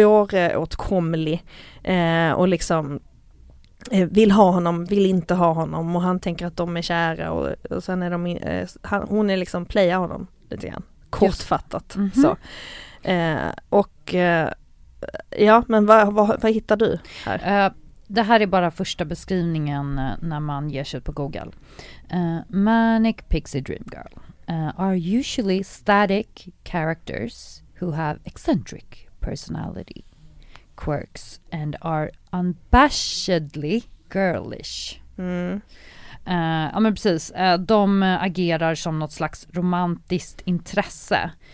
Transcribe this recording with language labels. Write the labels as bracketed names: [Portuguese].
[Swedish] Svåråtkomlig, och liksom vill ha honom, vill inte ha honom, och han tänker att de är kära, och sen är de hon är liksom playa honom lite grann, kortfattat. Mm-hmm. Så och ja, men vad hittar du här? Det här är bara första beskrivningen när man ger sig ut på Google. [English] Manic pixie dream girl are usually static characters who have eccentric personality quirks and are unabashedly girlish. Mm. [Swedish] Ja, men precis. De agerar som något slags romantiskt intresse.